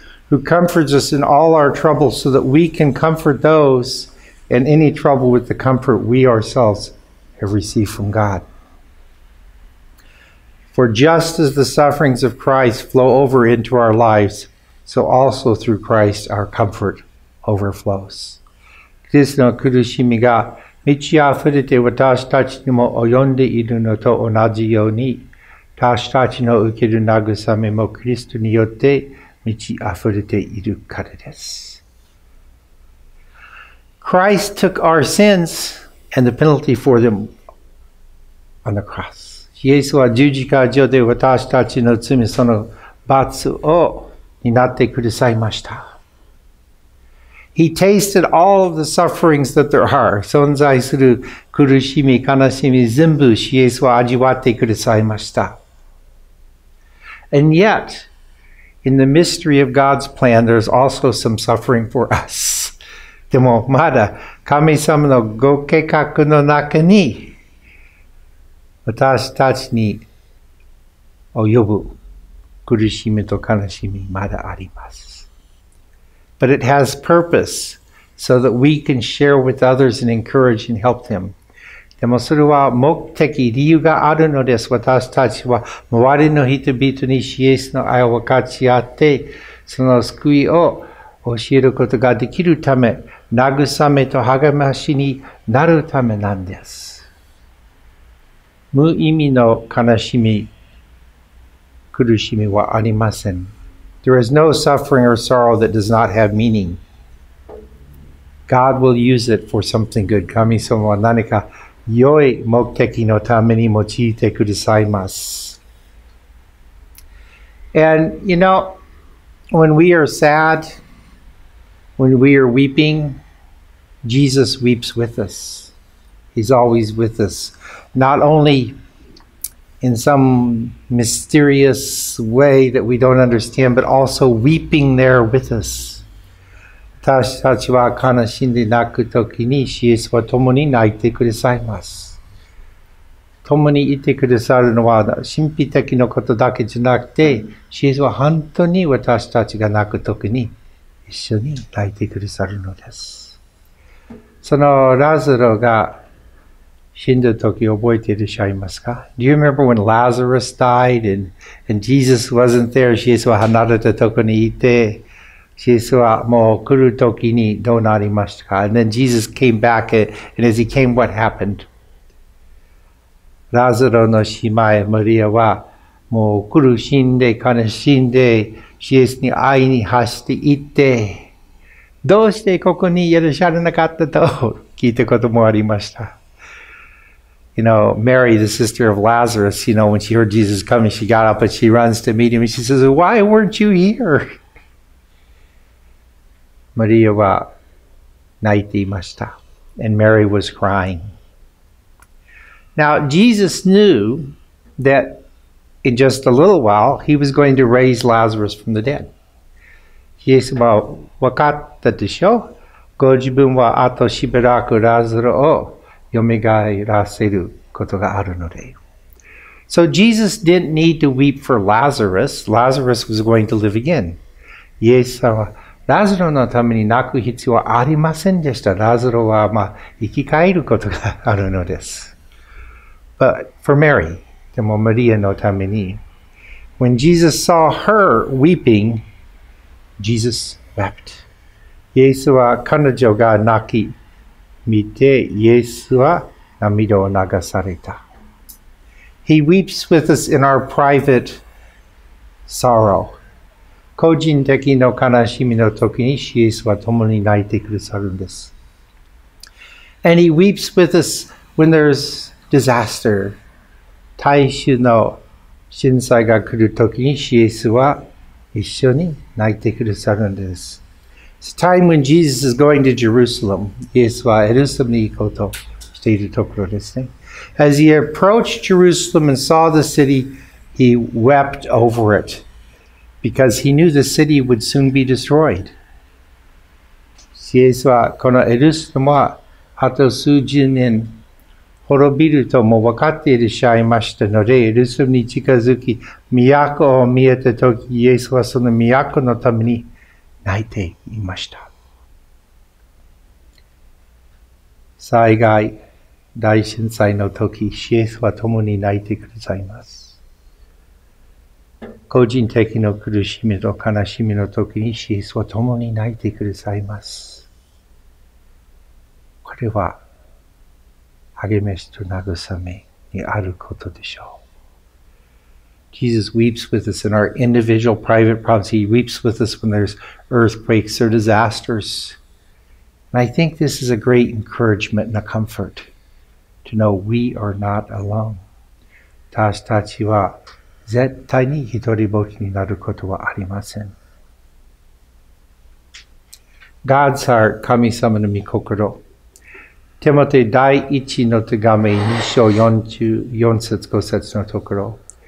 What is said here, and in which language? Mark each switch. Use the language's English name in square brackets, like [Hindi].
[English] Who comforts us in all our troubles so that we can comfort those in any trouble with the comfort we ourselves have received from God. For just as the sufferings of Christ flow over into our lives, so also through Christ our comfort overflows. [Japanese] キリストの苦しみが満ち溢れて私たちにも及んでいるのと同じように、私たちの受ける慰めもキリストによって満ち溢れているからです。 [English] Christ took our sins and the penalty for them on the cross. [Japanese] イエスは十字架上で私たちの罪その罰を担ってくださいました。 [English] He tasted all of the sufferings that there are. [Japanese] 存在する苦しみ、悲しみ、全部イエスは味わってくださいました。 [English] And yet, in the mystery of God's plan, there's also some suffering for us. [Japanese] でもまだ神様のご計画の中に私たちに及ぶ苦しみと悲しみまだあります。 [English] But it has purpose so that we can share with others and encourage and help them. [Japanese] でもそれは目的、理由があるのです。私たちは周りの人々にイエスの愛を分かち合って、その救いを教えることができるため、慰めと励ましになるためなんです。無意味の悲しみ、苦しみはありません。 [English] There is no suffering or sorrow that does not have meaning. God will use it for something good. [Japanese] 神様は何か良い目的のために用いてくださいます。 [English] And, you know, when we are sad, when we are weeping, Jesus weeps with us. He's always with us. Not only in some mysterious way that we don't understand, but also weeping there with us. [Japanese] 私たちは悲しんで泣くときに、イエスは共に泣いてくださいます。共にいてくださるのは、神秘的なことだけじゃなくて、イエスは本当に私たちが泣くときに、一緒に泣いてくださるのです。そのラザロが、死んだ時覚えていらっしゃいますか? [English] Do you remember when Lazarus died and Jesus wasn't there? [Japanese] イエスは離れたとこにいて、イエスはもう来る時にどうなりましたか? [English] And then Jesus came back and as he came, what happened? [Japanese] ラザロの姉妹マリアはもう苦しんで悲しんで、イエスに会いに走っていって、どうしてここにいらっしゃらなかったと聞いたこともありました。 [English] You know, Mary, the sister of Lazarus, you know, when she heard Jesus coming, she got up and she runs to meet him and she says, Why weren't you here? [Japanese] Maria は泣いていました。 [English] And Mary was crying. Now, Jesus knew that in just a little while, he was going to raise Lazarus from the dead. [Japanese] イエスは分かったでしょ?ご自分はあとしばらくラザロを蘇らせることがあるので。 [English] So Jesus didn't need to weep for Lazarus. Lazarus was going to live again. [Japanese] イエス様は、ラザロのために泣く必要はありませんでした。ラザロは、まあ、生き返ることがあるのです。 [English] But for Mary, [Japanese] でもマリアのために、 [English] When Jesus saw her weeping, Jesus wept. [Japanese] イエスは彼女が泣き、見て、イエスは涙を流された。 [English] He weeps with us in our private sorrow, [Japanese] 個人的の悲しみの時に、主イエスは共に泣いてくださるんです。 [English] And he weeps with us when there's disaster. [Japanese] 大衆の震災が来る時に、主イエスは一緒に泣いてくださるんです。 [English] It's time when Jesus is going to Jerusalem. [Japanese] イエスはエルサレムに行こうとしているところですね。 [English] As he approached Jerusalem and saw the city, he wept over it, because he knew the city would soon be destroyed. [Japanese] イエスはこのエルサレムはあと数十年滅びるとも分かっていらっしゃいましたので、エルサレムに近づき、都を見えたとき、イエスはその都のために泣いていました。災害、大震災のとき、イエスは共に泣いてくださいます。個人的な苦しみと悲しみのときに、イエスは共に泣いてくださいます。これは、励ましと慰めにあることでしょう。 [English] Jesus weeps with us in our individual private problems. He weeps with us when there's earthquakes or disasters. And I think this is a great encouragement and a comfort to know we are not alone. [Japanese] 私たちは絶対に一人ぼっちになることはありません。 [English] God's heart, [Japanese] 神様の御心。テモテ第一の手紙2章44節5節のところ。